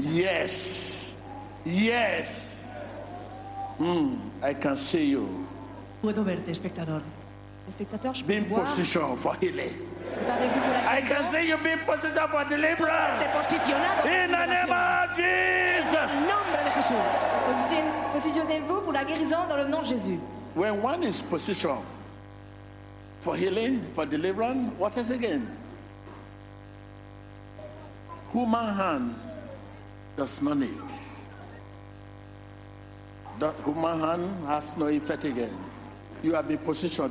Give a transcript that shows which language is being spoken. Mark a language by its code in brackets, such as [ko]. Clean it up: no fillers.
[en] Yes. Yes. I can see you. [es] Puedo verte, espectador. Espectador, [en] be in position for healing. I can see you be in position for deliverance. [es] Posicionado. [en] In the name of Jesus. [es] En el nombre de Jesús. [fr] Positionnez-vous pour la guérison dans le nom de Jésus. [en] When one is position for healing, for deliverance, what is again? Human hand does not need. That human hand has no effect again. You have been positioned.